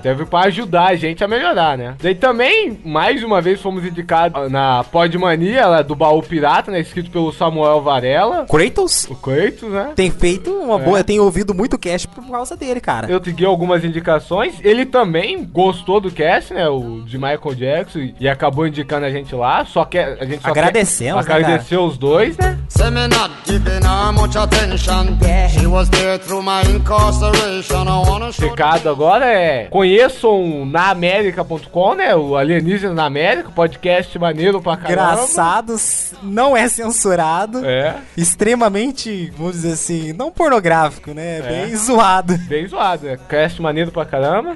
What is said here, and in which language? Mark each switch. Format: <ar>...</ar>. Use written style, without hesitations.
<pt>Deve pra ajudar a gente a melhorar, né? Daí também, mais uma vez, fomos indicados na Pod Mania, do Baú Pirata, né? Escrito pelo Samuel Varela. Kratos? O Kratos, né? Tem feito uma boa... Eu tenho ouvido muito cast por causa dele, cara. Eu segui algumas indicações. Ele também gostou do cast, né? O de Michael Jackson e acabou indicando a gente lá. Só que a gente só agradecemos, quer agradecer, né, os dois, né?</pt> <en>Semi not giving her much attention. She was there through my incarceration. I wanna show.</en> <pt>Recado agora é: conheçam na América.com, né? O Alienígena na América, podcast maneiro pra caramba. Engraçado, não é censurado. É. Extremamente, vamos dizer assim, não pornográfico, né? É. Bem zoado. Bem zoado, é. Cast maneiro pra caramba.</pt>